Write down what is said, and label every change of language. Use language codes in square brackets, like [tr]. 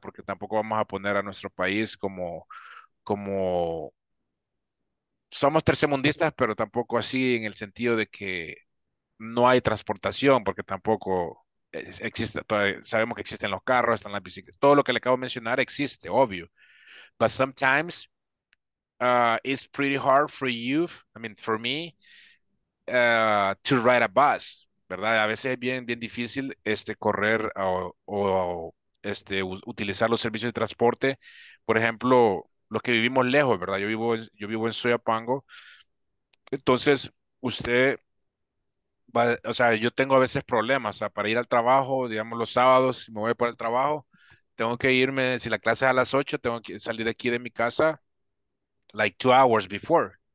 [es] Porque tampoco vamos a poner a nuestro país como, como, somos tercermundistas, pero tampoco así en el sentido de que no hay transportación, porque tampoco existe, sabemos que existen los carros, están las bicicletas, todo lo que le acabo de mencionar existe, obvio. [en] But sometimes it's pretty hard for you, I mean, for me, to ride a bus, ¿verdad? [es] A veces es bien, bien difícil este correr o este utilizar los servicios de transporte. Por ejemplo, los que vivimos lejos, ¿verdad? Yo vivo en Soyapango. Entonces, usted va, o sea, yo tengo a veces problemas, o sea, para ir al trabajo, digamos, los sábados, si me voy para el trabajo, tengo que irme, si la clase es a las 8, tengo que salir de aquí de mi casa, [en] like 2 hours before.